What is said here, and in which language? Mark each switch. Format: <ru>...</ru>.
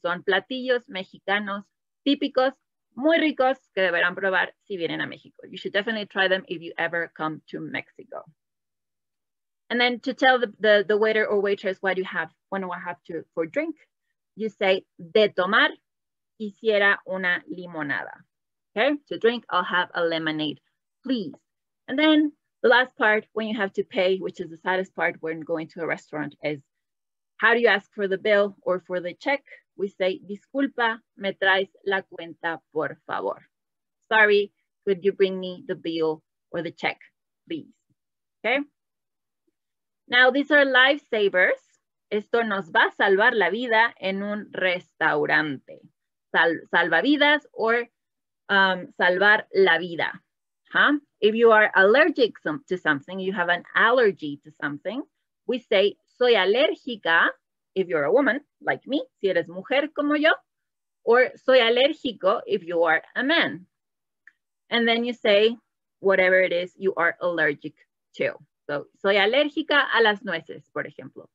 <es>Son platillos mexicanos típicos, muy ricos, que deberán probar si vienen a México.</es> <en>You should definitely try them if you ever come to Mexico. And then to tell the waiter or waitress what you have, when I have to for drink, you say,</en> <es>de tomar quisiera una limonada.</es> <en>Okay, to drink, I'll have a lemonade, please. And then the last part, when you have to pay, which is the saddest part when going to a restaurant, is how do you ask for the bill or for the check? We say,</en> <es>disculpa, me traes la cuenta, por favor.</es> <en>Sorry, could you bring me the bill or the check, please? Okay? Now, these are lifesavers.</en> <es>Esto nos va a salvar la vida en un restaurante. Salvavidas or salvar la vida. Huh?</es> <en>If you are allergic to something, you have an allergy to something, we say,</en> <es>soy alérgica,</es> <en>if you're a woman, like me,</en> <es>si eres mujer como yo,</es> <en>or</en> <es>soy alérgico,</es> <en>if you are a man. And then you say whatever it is you are allergic to.</en> <es>So, soy alérgica a las nueces, por ejemplo.</es>